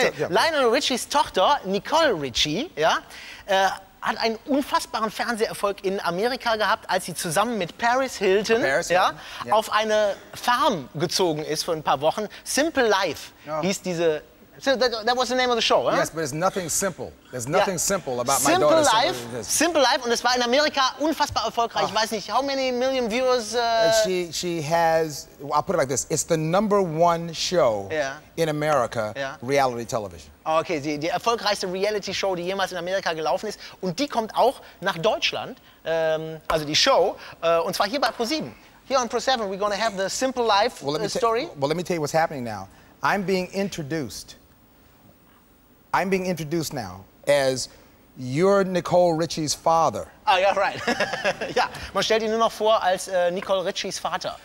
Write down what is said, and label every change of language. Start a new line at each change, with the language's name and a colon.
German: Lionel Richies Tochter, Nicole Richie, hat einen unfassbaren Fernseherfolg in Amerika gehabt, als sie zusammen mit Paris Hilton auf eine Farm gezogen ist für ein paar Wochen. Simple Life hieß diese.
English: So that was the name of the show, Yes, but there's nothing simple. There's nothing simple about simple my daughter. Simple Life. Simple Life, and it was in America
German: unfassbar erfolgreich.
English: I don't know how many million viewers. She has. I'll put it like this: it's the number one show in America, reality television.
German: Okay, die erfolgreichste Reality Show, die jemals in Amerika gelaufen ist, und die kommt auch nach Deutschland, also die Show, und zwar hier bei ProSieben.
English: Here on ProSieben, we're gonna have the Simple Life story. Well, let me tell you what's happening now. I'm being introduced now as you're Nicole Richie's father. Ah, yeah, right.
German: Yeah, man stellt ihn nur noch vor als Nicole Richie's Vater.